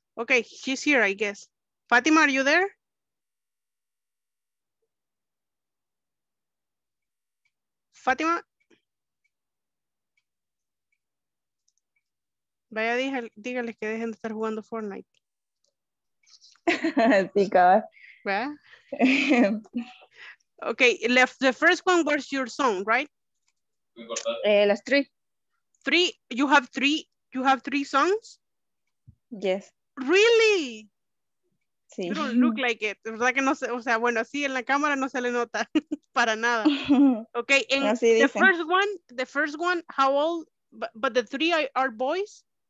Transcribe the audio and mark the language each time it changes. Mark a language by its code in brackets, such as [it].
[en] Ok, she's here, I guess. Fátima, are you there? Fátima. [es] Vaya, dígales que dejen de estar jugando Fortnite. Sí, cabrón. ¿Verdad? [en] Ok, the first one was your song, right? [es] Las tres. [en] You have three songs? Yes. Really? [es] Sí. [en] You don't look like it. [es] Es verdad que no sé, o sea, bueno, sí, en la cámara no se le nota para nada. [en] Ok, and [es] no, sí, [en] the first one, how old, but the three are boys?